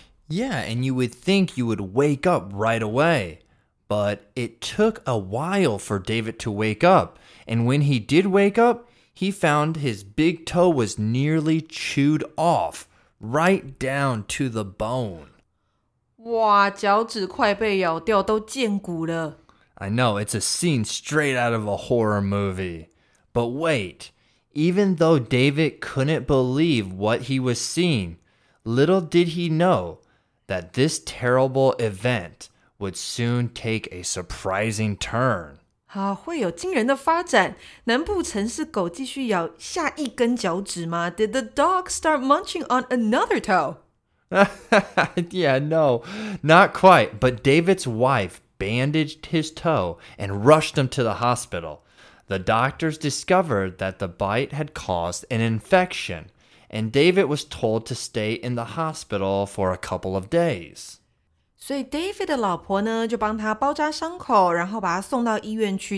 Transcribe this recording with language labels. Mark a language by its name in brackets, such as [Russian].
[English] Yeah, and you would think you would wake up right away. But it took a while for David to wake up, and when he did wake up, he found his big toe was nearly chewed off, right down to the bone. [Chinese] 哇，脚趾快被咬掉，都见骨了。 [English] I know, it's a scene straight out of a horror movie. But wait, even though David couldn't believe what he was seeing, little did he know that this terrible eventwould soon take a surprising turn. [Chinese] 好，会有惊人的发展。难不成是狗继续咬下一根脚趾吗？ [English] Did the dog start munching on another toe? Yeah, no, not quite. But David's wife bandaged his toe and rushed him to the hospital. the doctors discovered that the bite had caused an infection, and David was told to stay in the hospital for a couple of days. [Chinese] 所以 David 的老婆呢，就帮他包扎伤口，然后把他送到医院去。